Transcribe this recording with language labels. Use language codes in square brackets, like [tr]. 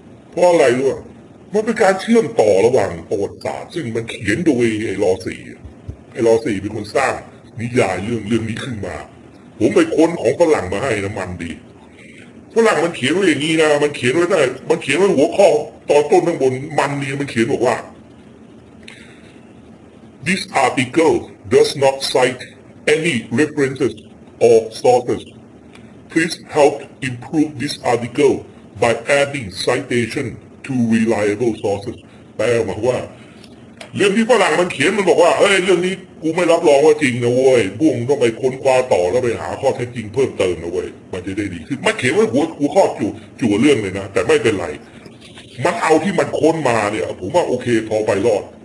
[th] เพราะอะไรรู้ป่ะมันเป็นการเชื่อมต่อระหว่างประวัติศาสตร์ซึ่งมันเขียนโดยไอ้ลอสี่ไอ้ลอสี่เป็นคนสร้างนิยายเรื่องนี้ขึ้นมาผมไปค้นของฝรั่งมาให้นะมันดีฝรั่งมันเขียนไว้อย่างนี้นะมันเขียนไว้ได้มันเขียนไว้หัวข้อตอนต้นข้างบนมันดีมันเขียนบอกว่า this article does not cite any referencesOr sources. [en] Please help improve this article by adding citation to reliable sources. [th] แปลมาว่าเรื่องที่ฝรั่งมันเขียนมันบอกว่าเฮ้ยเรื่องนี้กูไม่รับรองว่าจริงนะเว้ยบุ้งต้องไปค้นคว้าต่อแล้วไปหาข้อเท็จจริงเพิ่มเติมนะเว้ยมันจะได้ดีขึ้นมันเขียนไว้หัวกูข้อจู่เรื่องเลยนะแต่ไม่เป็นไรมันเอาที่มันค้นมาเนี่ยผมว่าโอเคพอไปรอด